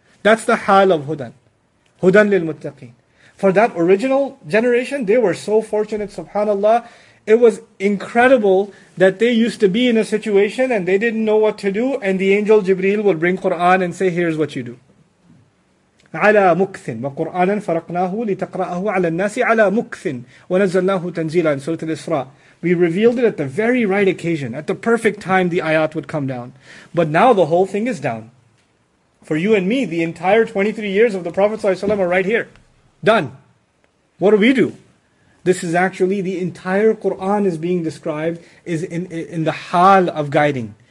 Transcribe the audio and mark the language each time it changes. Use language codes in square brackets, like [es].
[en] That's the hal of hudan. Hudan lil muttaqin. For that original generation, they were so fortunate, subhanAllah. It was incredible that they used to be in a situation and they didn't know what to do, and the angel Jibreel would bring Qur'an and say, here's what you do. [ar] عَلَى مُكْثٍ وَقُرْآنًا فَرَقْنَاهُ لِتَقْرَأَهُ عَلَى النَّاسِ عَلَى مُكْثٍ وَنَزَّلْنَاهُ تَنْزِيلًا [en] in Surah Al-Isra. We revealed it at the very right occasion. At the perfect time the ayat would come down. But now the whole thing is down. For you and me, the entire 23 years of the Prophet ﷺ are right here. Done. What do we do? This is actually, the entire Qur'an is being described is in the hal of guiding.